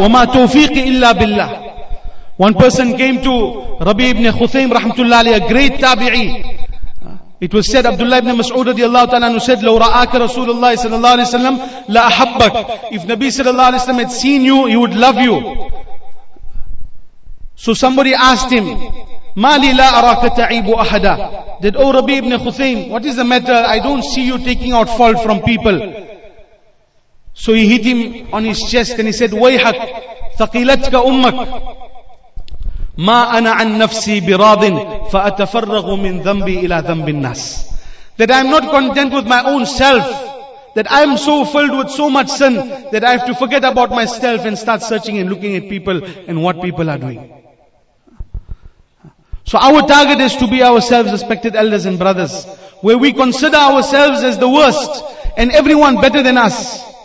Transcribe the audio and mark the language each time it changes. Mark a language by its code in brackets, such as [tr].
[ar] وَمَا تَوْفِيقِ إِلَّا بِاللَّهِ. [en] One person came to Rabi ibn Khuthaym rahmatullah alayhi, a great tabi'i. It was said, Abdullah ibn Mas'ud radiallahu ta'ala anhu said, [ar] لَوْ رَآكَ رَسُولُ اللَّهِ صلى الله عليه وسلم لَأَحَبَّكَ. [en] If Nabi sallallahu alayhi wa sallam had seen you, he would love you. So somebody asked him, [ar] مَالِ لَا أَرَاكَ تَعِيبُ أَحَدًا. [en] That, oh Rabi ibn Khuthaym, what is the matter? I don't see you taking out fault from people. So he hit him on his chest and he said, [ar] وَيْحَكْ ثَقِيلَتْكَ أُمَّكْ مَا أَنَا عَنْ نَفْسِي بِرَاضٍ فَأَتَفَرَّغُ مِنْ ذَنْبِي إِلَىٰ ذَنْبِ النَّاسِ. [en] That I am not content with my own self, that I am so filled with so much sin that I have to forget about myself and start searching and looking at people and what people are doing. So our target is to be ourselves, respected elders and brothers, where we consider ourselves as the worst and everyone better than us.